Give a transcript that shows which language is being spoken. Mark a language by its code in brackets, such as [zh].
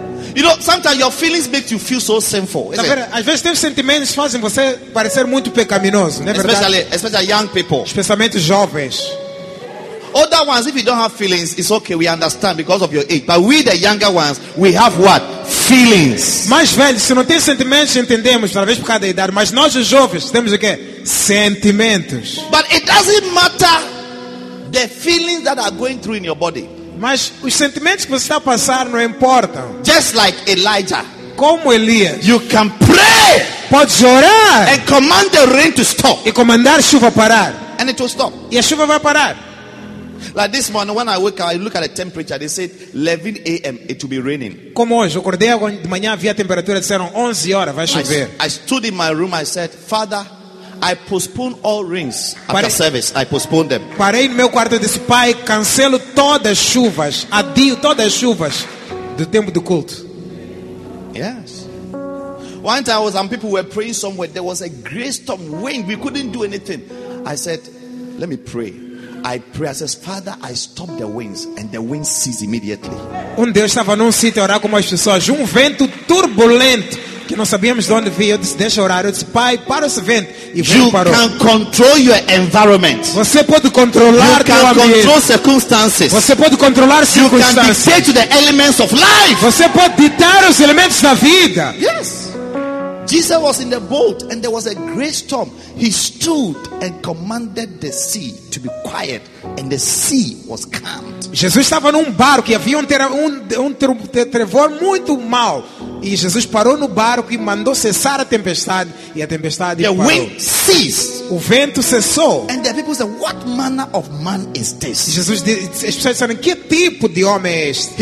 [en] You know, sometimes your feelings make you feel so sinful. [pt] Na verdade, às vezes teus sentimentos fazem você parecer muito pecaminoso, não é verdade? [en] Especially young people. [pt] Especialmente jovens. [en] Older ones, if you don't have feelings, it's okay, we understand because of your age. But we, the younger ones, we have what? Feelings. [pt] Mais velhos, se não tem sentimentos, entendemos, talvez por causa da idade. Mas nós, os jovens, temos o quê? Sentimentos. [en] But it doesn't matter the feelings that are going through in your body. [pt] Mas os sentimentos que você está a passar não importam. [en] Just like Elijah, [pt] como Elias, [en] you can pray, [pt] pode orar, [en] and command the rain to stop, [pt] e comandar a chuva parar, [en] and it will stop, [pt] e a chuva vai parar. [en] Like this morning when I wake up, I look at the temperature. They said 11 a.m. it will be raining. [pt] Como hoje eu acordei de manhã, vi a temperatura, disseram 11 horas vai chover. [en] I stood in my room. I said, Father, I postpone all rains after service. I postpone them. [pt] Parei no meu quarto e disse, Pai, cancelo todas as chuvas. Adio todas as chuvas do tempo do culto. [en] Yes. One time, some people were praying somewhere. There was a great storm, wind. We couldn't do anything. I said, let me pray. I pray. I said, Father, I stop the winds. And the winds cease immediately. [pt] Deus estava num sítio a orar com umas pessoas. Um vento turbulento. Que não sabíamos de onde veio. Eu disse, deixa orar. Eu disse, Pai, para esse vento. E [en] you [pt] parou. [en] Can control your environment. [pt] Você pode controlar [en] you can control circumstances. [pt] Você pode controlar [en] you [pt] circunstâncias. [en] Can dictate the elements of life. [pt] Você pode ditar os elementos da vida. [en] Yes. Jesus was in the boat and there was a great storm. He stood and commanded the sea to be quiet and the sea was calmed. [pt] Jesus estava num barco e havia um trevor muito mau. E Jesus parou no barco e mandou cessar a tempestade e a tempestade parou. [en] The wind ceased. [pt] O vento cessou. [en] And the people said, what manner of man is this? [pt] Jesus disse, que tipo de homem é este?